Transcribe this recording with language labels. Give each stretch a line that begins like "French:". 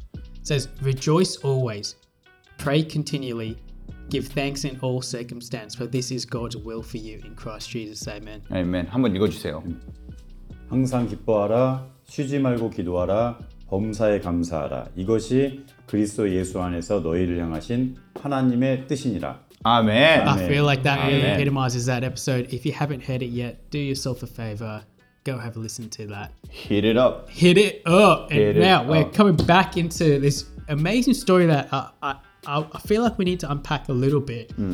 English: It says, rejoice always, pray continually, give thanks in all circumstances, for this is God's will for you in Christ Jesus. Amen.
Korean: Amen. 한번 읽어주세요. 항상 기뻐하라, 쉬지 말고 기도하라, 범사에 감사하라. 이것이 그리스도 예수 안에서 너희를 향하신 하나님의 뜻이니라.
English: Amen. I feel like that really epitomizes that episode. If you haven't heard it yet, do yourself a favor. Go have a listen to that. Hit it up. Hit it up. We're coming back into this amazing story that I feel like we need to unpack a little bit.